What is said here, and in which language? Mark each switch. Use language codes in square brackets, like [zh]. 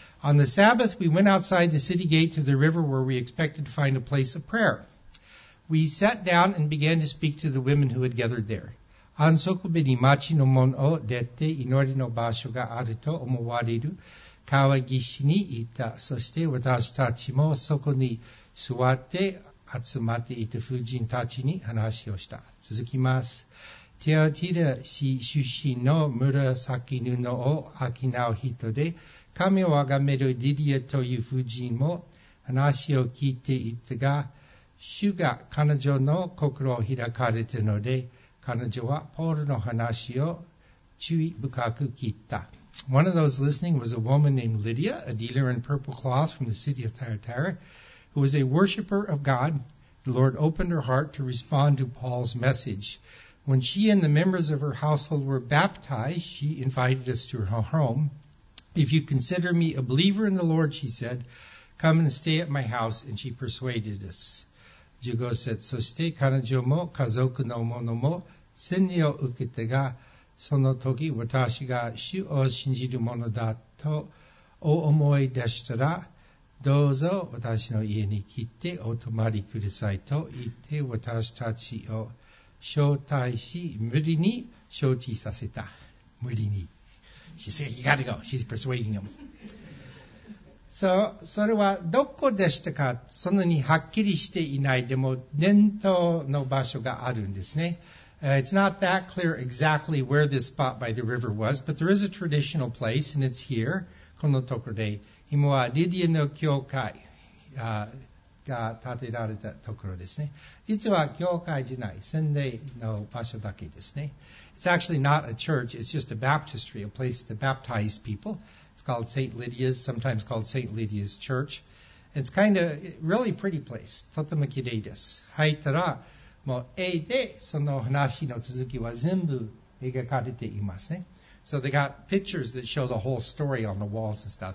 [en] On the Sabbath, we went outside the city gate to the river where we expected to find a place of prayer. We sat down and began to speak to the women who had gathered there. [ja] 安息日に町の門を出て祈りの場所があると思われる川岸に行った。そして私たちもそこに座って集まっていた婦人たちに話をした。続きます。テアティラ市出身の紫布を商う人で神を崇めるリディアという婦人も話を聞いていたが、主が彼女の心を開かれたので、彼女はポールの話を注意深く聞いた。 [en] One of those listening was a woman named Lydia, a dealer in purple cloth from the city of Thyatira, who was a worshipper of God. The Lord opened her heart to respond to Paul's message. When she and the members of her household were baptized, she invited us to her home. If you consider me a believer in the Lord, she said, come and stay at my house. And she persuaded us. [ja] 15節、そして彼女も家族の者も洗礼を受けたが、その時私が主を信じる者だとお思い出したら、どうぞ私の家に来てお泊まりくださいと言って私たちを招待し、無理に招致させた。無理に。 [en] She said, you gotta go. She's persuading him. [ja] So, それはどこでしたか？そんなにはっきりしていない。でも、伝統の場所があるんですね。 [en] It's not that clear exactly where this spot by the river was, but there is a traditional place, and it's here, [ja] このところで、今はリディアの教会が建てられたところですね。実は教会じゃない、洗礼の場所だけですね。 [en] It's actually not a church, it's just a baptistry, a place to baptize people. It's called St. Lydia's, sometimes called St. Lydia's Church. It's kind of really pretty place, [ja] とてもきれいです。入ったら、もう絵でその話の続きは全部描かれていますね。 [en] So they got pictures that show the whole story on the walls and stuff.